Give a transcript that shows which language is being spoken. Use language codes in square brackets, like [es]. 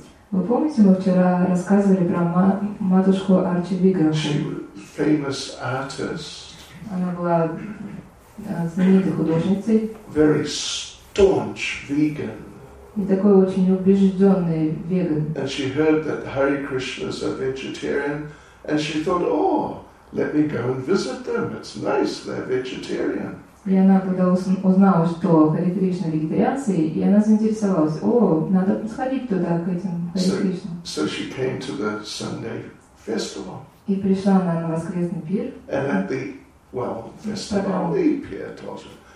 [ru] Вы помните, мы вчера рассказывали про матушку Арчи Виграху? [en] She was a famous artist. [ru] Она была знаменитой художницей. [en] Very staunch vegan. [ru] И такой очень убежденный веган. [en] And she heard that Hare Krishna's a vegetarian, and she thought, oh, let me go and visit them. It's nice, they're vegetarian. [ru] И она когда узнала, что Хари Кришна вегетарианцы, и она заинтересовалась, о, надо сходить туда к этим Хари Кришна. [en] So she came to the Sunday festival. [ru] И пришла она на воскресный пир. [en] And at the, well, festival, the pir [ru] тоже.